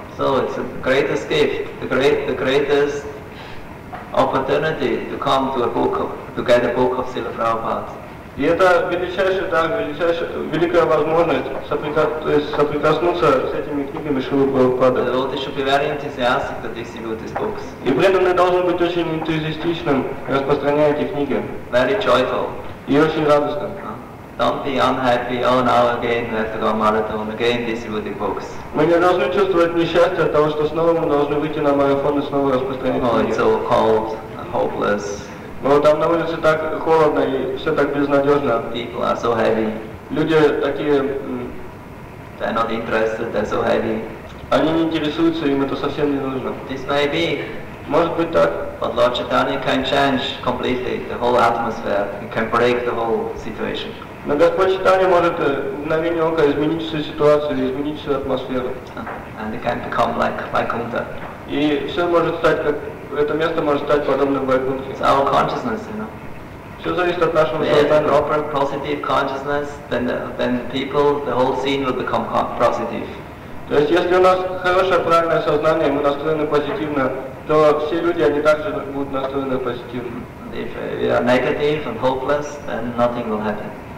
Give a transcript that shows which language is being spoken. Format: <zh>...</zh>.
<en>So it's the greatest gift, the greatest opportunity to come to a book of, to get a book of Srila Prabhupada.</en> <ru>И это великая возможность соприкоснуться с этими книгами Шрилы Прабхупады.</ru> <en>The devotee should be very enthusiastic to distribute these books.</en> <ru>И преданный должен быть очень энтузиастичным, распространяя эти книги.</ru> <en>Very joyful.</en> <ru>И очень радостным.</ru> <en>Don't be unhappy, oh now again we have to go marathon, again distributing books.</en> <ru>Мы не должны чувствовать несчастье от того, что снова мы должны выйти на марафон и снова распространять книги.</ru> <en>Oh, it's so cold, hopeless.</en> <ru>Но там на улице так холодно и все так безнадежно.</ru> <en>People are so heavy.</en> <ru>Люди такие...</ru> <en>They're not interested, they're so heavy.</en> <ru>Они не интересуются, им это совсем не нужно.</ru> <en>This may be.</en> <ru>Может быть так.</ru> <en>But Lord Chaitanya can change completely the whole atmosphere. He can break the whole situation.</en> <ru>Но Господь Чайтанья может в мгновение ока изменить всю ситуацию или изменить всю атмосферу.</ru> <en>And it can become like Vaikuntha.</en> <ru>И все может стать как... Это место может стать подобным Вайкунте.</ru> <en>It's our consciousness, you know.</en> <ru>Все зависит от нашего сознания.</ru> <en>If proper positive consciousness, then people, the whole scene will become positive.</en> <ru>То есть, если у нас хорошее, правильное сознание, мы настроены позитивно, то все люди, они также будут настроены позитивно.</ru> <en>And if we are negative and hopeless, then nothing will happen.</en>